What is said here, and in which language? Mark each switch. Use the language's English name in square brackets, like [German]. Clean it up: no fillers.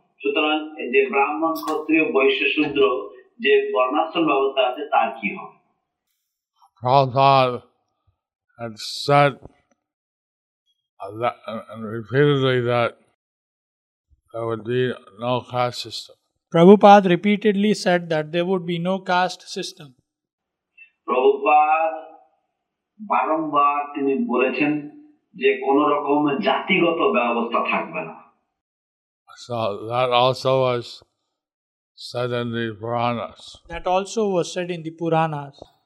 [Bangla] সুতরাং যে ব্রাহ্মণ ক্ষত্রিয় বৈশ্য শূদ্র যে বর্ণাশ্রম ব্যবস্থা আছে তার কি হবে? [English] Prabhupada had said that, and repeatedly that there would be no caste system. Prabhupada repeatedly said that there would be no caste system. [Bangla] Prabhupada বারংবার তিনি বলেছেন যে কোন রকম জাতিগত ব্যবস্থা থাকবে না। [English] So that also was said in the Puranas. That also was said in the Puranas.